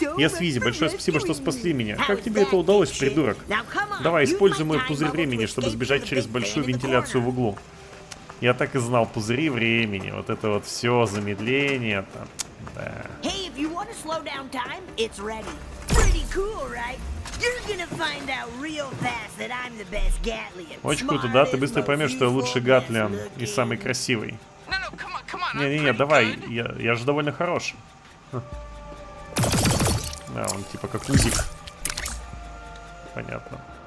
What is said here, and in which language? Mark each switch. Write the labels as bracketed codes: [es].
[ru] Я Свизи, большое спасибо, что спасли меня. Как тебе это удалось, придурок? Давай, используй мой пузырь времени, чтобы сбежать через большую вентиляцию в углу. Я так и знал, пузыри времени, вот это вот все, замедление-то. Да. [en] You want to slow down time? It's ready. Pretty cool, right? You're gonna find out real fast that I'm the best Gatlian. [ru] Очень круто, да? Ты быстро поймешь, что я лучший Гатлиан и самый красивый. Не-не-не, давай, я же довольно хорош. Да, он типа как Узик. Понятно.